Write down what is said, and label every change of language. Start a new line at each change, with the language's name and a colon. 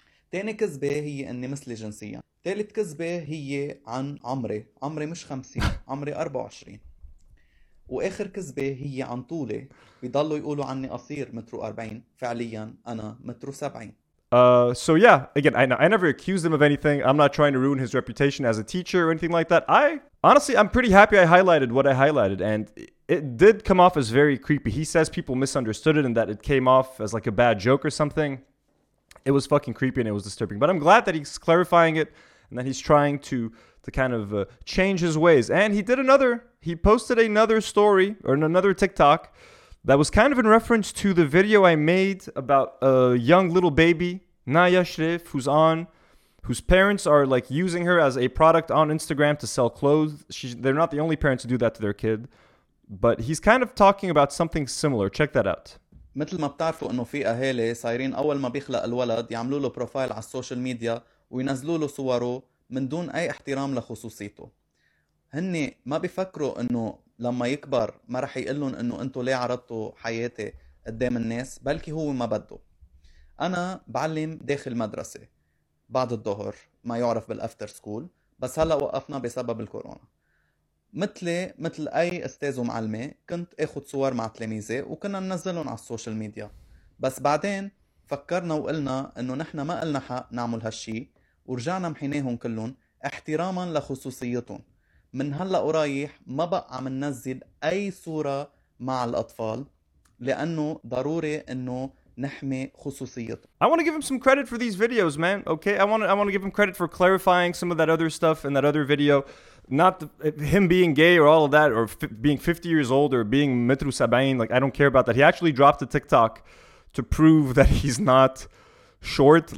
Arabic: تاني كذبه هي اني مثلي جنسيا. تالت كذبه هي عن عمري، عمري مش 50، عمري 24. واخر كذبه هي عن طولي، بيضلوا يقولوا عني قصير مترو 40، فعليا انا مترو 70.
English: So yeah, again, I never accused him of anything. I'm not trying to ruin his reputation as a teacher or anything like that. I'm pretty happy I highlighted what I highlighted, and it did come off as very creepy. He says people misunderstood it and that it came off as like a bad joke or something. It was fucking creepy and it was disturbing, but I'm glad that he's clarifying it and that he's trying to kind of change his ways. And he posted another story or another TikTok that was kind of in reference to the video I made about a young little baby, Naya Shrif, whose parents are like using her as a product on Instagram to sell clothes. They're not the only parents to do that to their kid, but he's kind of talking about something similar. Check that out.
Arabic: مثل ما بتعرفوا انه في اهالي صايرين اول ما بيخلق الولد يعملوا له بروفايل على السوشيال ميديا وينزلوا له صوره من دون اي احترام لخصوصيته. هني ما بيفكروا انه لما يكبر ما رح يقلن انه انتو ليه عرضتوا حياتي قدام الناس، بلكي هو ما بده. انا بعلم داخل مدرسة بعد الظهر، ما يعرف بالافتر سكول، بس هلا وقفنا بسبب الكورونا. مثل اي استاذ ومعلمة كنت اخد صور مع تلاميذي وكنا ننزلهم على السوشيال ميديا. بس بعدين فكرنا وقلنا انه نحنا ما قلنا حق نعمل هالشي، ورجعنا محيناهم كلهم احتراما لخصوصيتهم. من هلأ ورايح ما بقى عم ننزل أي صورة مع الأطفال، لأنه ضروري أنه نحمي خصوصيته.
English: I want to give him some credit for these videos, man. Okay, I want to give him credit for clarifying some of that other stuff in that other video. Not him being gay or all of that, or being 50 years old or being Mitru Sabain. Like, I don't care about that. He actually dropped a TikTok to prove that he's not short.